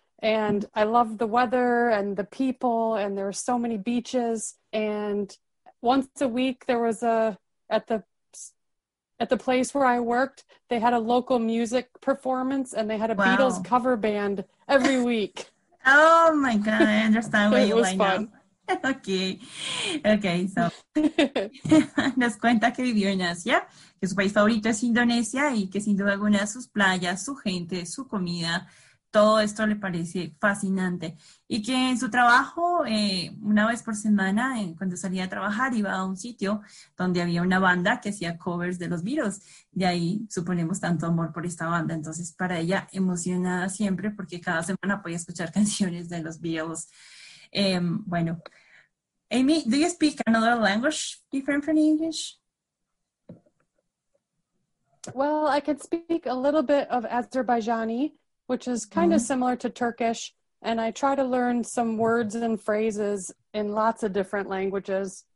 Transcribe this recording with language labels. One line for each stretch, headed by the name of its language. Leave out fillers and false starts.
English: And I love the weather and the people, and there are so many beaches. And once a week, there was at the place where I worked, they had a local music performance, and they had a wow. Beatles cover band every week. Oh my God, I understand what you like fun. Now.
Spanish: Okay, so nos cuenta que vivió en Asia, que su país favorito es Indonesia y que sin duda alguna sus playas, su gente, su comida, todo esto le parece fascinante. Y que en su trabajo, una vez por semana, cuando salía a trabajar, iba a un sitio donde había una banda que hacía covers de los Beatles. De ahí suponemos tanto amor por esta banda. Entonces, para ella, emocionada siempre porque cada semana podía escuchar canciones de los Beatles.
English: Bueno, Amy, do you speak another language different from English? Well, I could speak a little bit of Azerbaijani, which is kind of similar to Turkish. And I try to learn some words and phrases in lots of different languages.